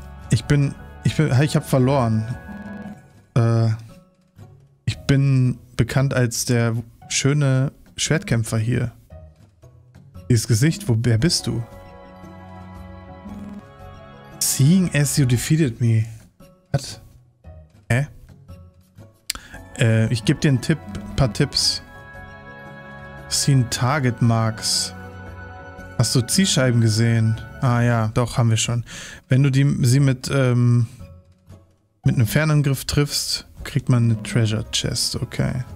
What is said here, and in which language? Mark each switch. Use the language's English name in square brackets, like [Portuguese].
[German] Ich hab verloren. Ich bin bekannt als der schöne Schwertkämpfer hier. Dieses Gesicht, wer bist du? [English] Seeing as you defeated me. What? Hä? [German] Ich gebe dir ein paar Tipps. [English] Seen Target Marks. [German] Hast du Zielscheiben gesehen? Ah ja, doch, haben wir schon. Wenn du sie mit einem Fernangriff triffst, kriegt man eine Treasure Chest, okay.